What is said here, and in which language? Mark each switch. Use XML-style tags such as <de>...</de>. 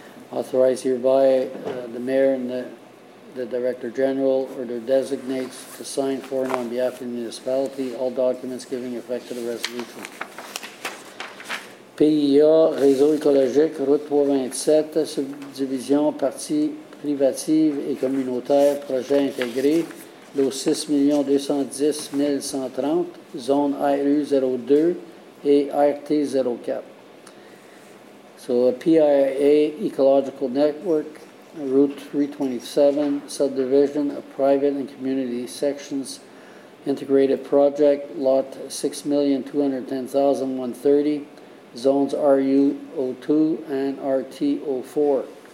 <en>Authorized hereby the mayor and the director general or their designates to sign for and on behalf of the municipality all documents giving effect to the resolution.</en> <fr>PIA, Réseau écologique, route 327, subdivision, partie privative et communautaire, projet intégré, lot 6,210,130, zone ARU 02 et RT 04.</fr> <en>So, PIA, Ecological Network, route 327, subdivision of private and community sections, integrated project, lot 6,210,130, zones RU02 and RT04.</en>